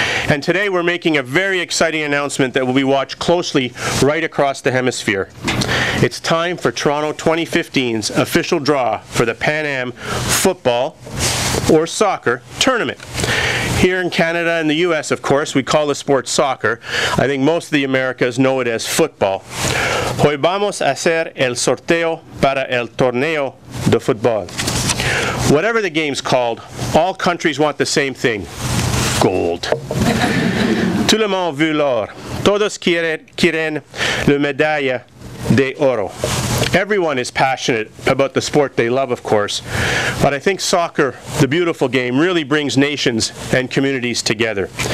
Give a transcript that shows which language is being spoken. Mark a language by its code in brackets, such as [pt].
[en] And today, we're making a very exciting announcement that will be watched closely right across the hemisphere. It's time for Toronto 2015's official draw for the Pan Am Football or Soccer Tournament. Here in Canada and the U.S., of course, we call the sport soccer. I think most of the Americas know it as football. [es] Hoy vamos a hacer el sorteo para el torneo de fútbol. [en] Whatever the game's called, all countries want the same thing, gold. [fr] Tout le monde veut l'or. [es] Todos quieren la medalla de oro. [en] Everyone is passionate about the sport they love, of course, but I think soccer, the beautiful game, really brings nations and communities together.